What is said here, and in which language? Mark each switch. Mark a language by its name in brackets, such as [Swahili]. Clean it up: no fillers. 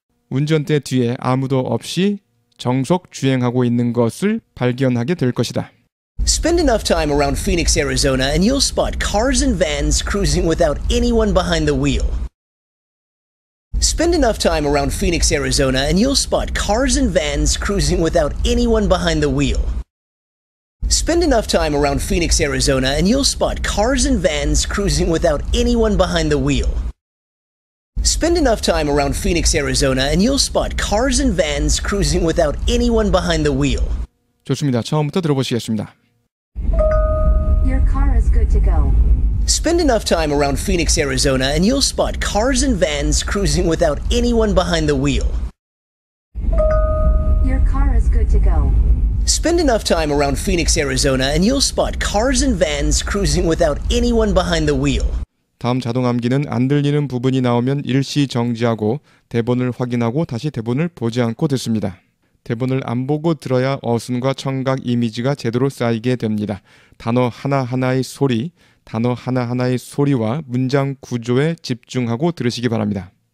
[Korean] 운전대 뒤에 아무도 없이 정속 주행하고 있는 것을 발견하게 될 것이다. [English] Spend enough time around Phoenix, Arizona, and you'll spot cars and vans cruising without anyone behind the wheel. Spend enough time around Phoenix, Arizona, and you'll spot cars and vans cruising without anyone behind the wheel. Spend enough time around Phoenix, Arizona, and you'll spot cars and vans cruising without anyone behind the wheel. Spend enough time around Phoenix, Arizona, and you'll spot cars and vans cruising without anyone behind the wheel. [Korean] 좋습니다. 처음부터 들어보시겠습니다. [English] Your car is good to go. Spend enough time around Phoenix, Arizona, and you'll spot cars and vans cruising without anyone behind the wheel. Your car is good to go. Spend enough time around Phoenix, Arizona, and you'll spot cars and vans cruising without anyone behind the wheel. [Korean] 다음 자동 암기는 안 들리는 부분이 나오면 일시 정지하고 대본을 확인하고 다시 대본을 보지 않고 듣습니다. 대본을 안 보고 들어야 어순과 청각 이미지가 제대로 쌓이게 됩니다. 단어 하나하나의 소리, 단어 하나하나의 소리와 문장 구조에 집중하고 들으시기 바랍니다.